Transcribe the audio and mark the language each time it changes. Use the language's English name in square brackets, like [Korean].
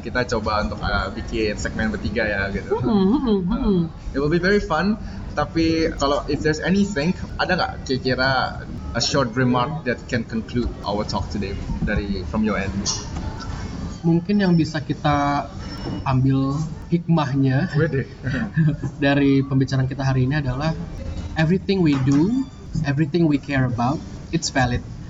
[Indonesian] Nah, kita coba untuk bikin segmen bertiga ya gitu. [English] It will be very fun. [Indonesian] Tapi kalau [English] if there's anything, [Indonesian] ada nggak kira-kira [English] a short remark that can conclude our talk today [Indonesian] dari [English] from your end? [Indonesian] Mungkin yang bisa kita ambil hikmahnya dari pembicaraan kita hari ini adalah [English] everything we do, everything we care about, it's valid.